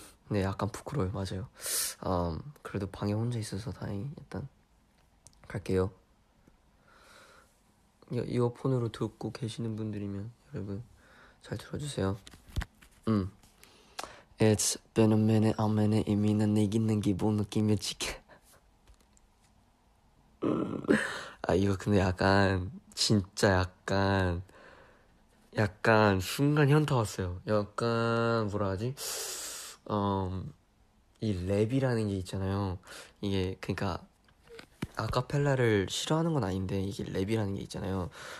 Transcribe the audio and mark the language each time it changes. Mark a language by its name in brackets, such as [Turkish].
[Korean] 네 약간 부끄러워요. 맞아요. 그래도 방에 혼자 있어서 다행히. 일단 갈게요. 이어폰으로 듣고 계시는 분들이면 여러분 잘 들어주세요. [English] It's been a minute, a minute. [Korean] 이미 난 내 있는 기분 느낌이었지. 아 이거 근데 약간 진짜 약간 순간 현타 왔어요. 약간 뭐라 하지? 이 랩이라는 게 있잖아요. 이게 그러니까 아카펠라를 싫어하는 건 아닌데 이게 랩이라는 게 있잖아요.